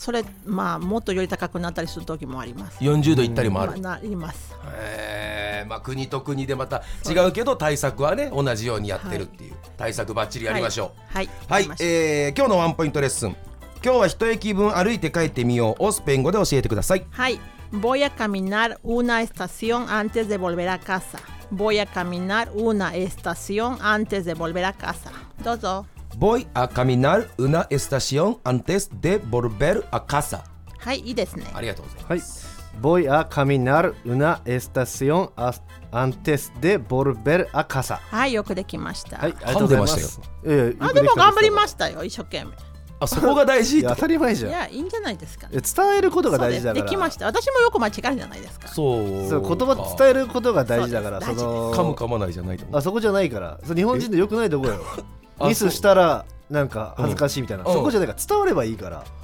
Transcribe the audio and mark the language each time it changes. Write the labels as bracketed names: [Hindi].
[Japanese] それ、まあ、もっとより高くなったりする時もあります。 40度いったりもある、まあ、なります。まあ、国と国でまた違うけど、対策はね、同じようにやってるっていう。対策バッチリやりましょう。はい、はいはい。今日のワンポイントレッスン、今日は一駅分歩いて帰ってみようをスペイン語で教えてください。 [Spanish] はい、Voy a caminar una estación antes de volver a casa. Voy a caminar una estación antes de volver a casa. [Japanese] Dozo. [Spanish] Voy a caminar una estación antes de volver a casa. [Japanese] はい、いいですね。ありがとうございます。はい。 [Spanish] Voy a caminar una estación antes de volver a casa. [Japanese] はい、よくできました。はい、ありがとうございます。あ、でも頑張りましたよ、一生懸命。あ、そこが大事。当たり前じゃん。いや、いいんじゃないですか、ね、伝えることが大事だから。できました。私もよく間違えるじゃないですか。そう、言葉伝えることが大事だから。その噛む噛まないじゃないと。あ、そこじゃないから。そ、日本人の良くないところよ。ミスしたらなんか恥ずかしいみたいな、うん、そこじゃないから、伝わればいいから。